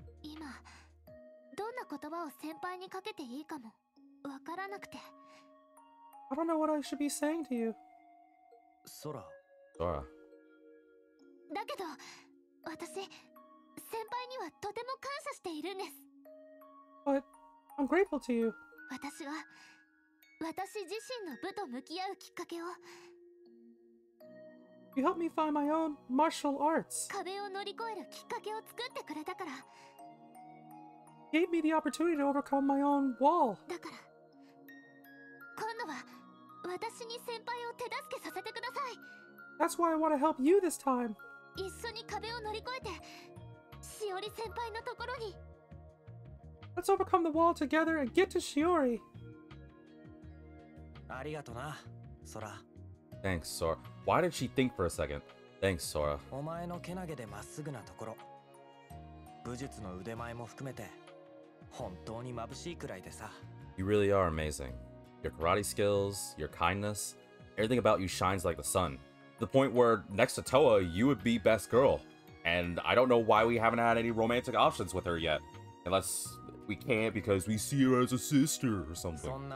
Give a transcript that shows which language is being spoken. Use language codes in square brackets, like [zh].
[ja] 今、どんな言葉を先輩にかけていいかも。分からなくて。 [en] I don't know what I should be saying to you. Sora. [ja] だけど、私、先輩にはとても感謝しているんです。 [en] But I'm grateful to you. [ja] 私は、私自身の部と向き合うきっかけを。 [en] You helped me find my own martial arts. [ja] 壁を乗り越えるきっかけを作ってくれたから。 [en] Gave me the opportunity to overcome my own wall. [ja] だから今度は私に先輩を手助けさせてください。 [en] That's why I want to help you this time. [ja] 一緒に壁を乗り越えて、しおり先輩のところに。 [en] Let's overcome the wall together and get to Shiori. [ja] ありがとうな、ソラ。 [en] Thanks, Sora. Why did she think for a second? Thanks, Sora. [ja] お前のけなげでまっすぐなところ、武術の腕前も含めて、本当に眩しいくらいでさ。 [en] You really are amazing. Your karate skills, your kindness, everything about you shines like the sun. To the point where, next to Toa, you would be best girl. And I don't know why we haven't had any romantic options with her yet. Unless we can't because we see her as a sister or something.